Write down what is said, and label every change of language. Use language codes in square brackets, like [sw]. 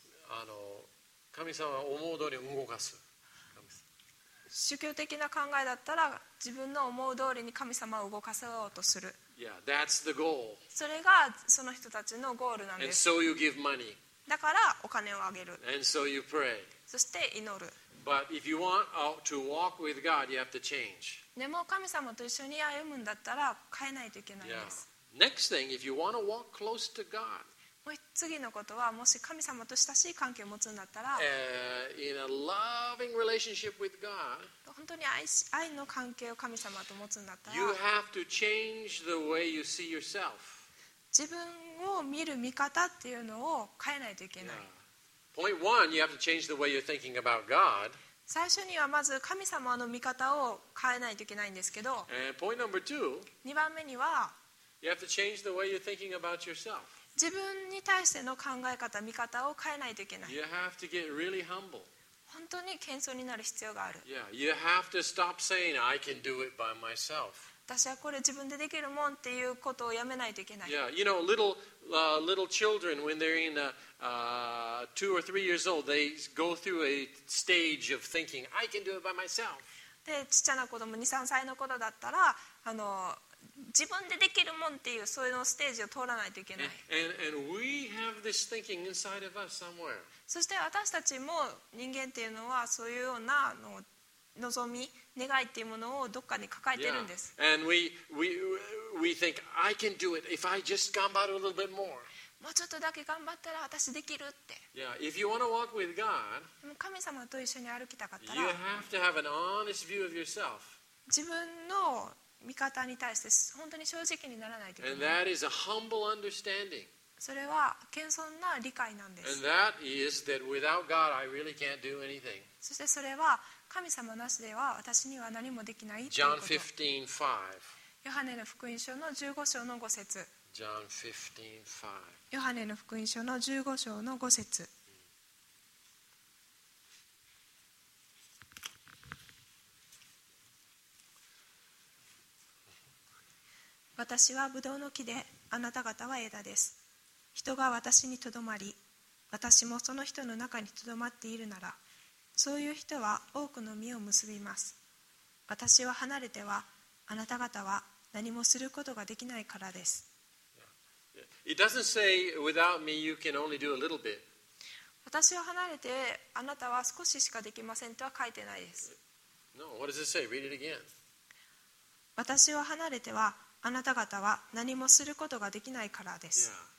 [ja] あの神様は思う通り動かす。宗教的な考えだったら自分の思う通りに神様を動かそうとする。 [en] yeah, that's the goal. [ja] それがその人たちのゴールなんです。 [en] And so you give money. [ja] だからお金をあげる。 [en] And so you pray. [ja] そして祈る。 [en] But if you want to walk with God, you have to change. [ja] でも神様と一緒に歩むんだったら変えないといけないんです。 [en] yeah. Next thing, if you want to walk close to God, [ja] もう次のことはもし神様と親しい関係を持つんだったら、 [en] in a loving relationship with God, [ja] 本当に 愛の関係を神様と持つんだったら [en] you have to change the way you see yourself. [ja] 自分を見る見方っていうのを変えないといけない。 [en] Point one, you have to change the way you're thinking about God. [ja] 最初にはまず神様の見方を変えないといけないんですけど、 [en] Point number two, [ja] 2番目には [en] you have to change the way you're thinking about yourself. [ja] 自分に対しての考え方、見方を変えないといけない。 [en] You have to get really humble. [ja] 本当に謙遜になる必要がある。 [en] Yeah, you have to stop saying, I can do it by myself. [ja] 私はこれ自分でできるもんっていうことをやめないといけない。 [en] Yeah, you know, little children, when they're in two or three years old, they go through a stage of thinking, I can do it by myself. [ja] で、ちっちゃな子供、2、3歳の子だったら、あの自分でできるもんっていうそういうのステージを通らないといけない。 [en] and we have this thinking inside of us somewhere. [ja] そして私たちも人間っていうのはそういうようなの望み願いっていうものをどっかに抱えてるんです、 [en] yeah. and we think I can do it if I just [ja] 頑張 [en] a little bit more. [ja] もうちょっとだけ頑張ったら私できるって。 [en] yeah, if you want to walk with God, [ja] 神様と一緒に歩きたかったら [en] you have to have an honest view of yourself. [ja] 自分の見方に対して本当に正直にならないといけない。 [en] And that is a humble understanding. [ja] それは謙遜な理解なんです。 [en] And that is that without God, I really can't do anything. [ja] そしてそれは神様なしでは私には何もできないということ。 [en] John 15:5. [ja] ヨハネの福音書の15章の5節。 [en] John 15:5. [ja] ヨハネの福音書の15章の5節。私はブドウの木で、あなた方は枝です。人が私にとどまり、私もその人の中にとどまっているなら、そういう人は多くの実を結びます。私は離れては、あなた方は何もすることができないからです。 [en] It doesn't say without me you can only do a little bit. [ja] 私を離れて、あなたは少ししかできませんとは書いてないです。 [en] No, what does it say? Read it again. [ja] 私を離れては、あなた方は何もすることができないからです。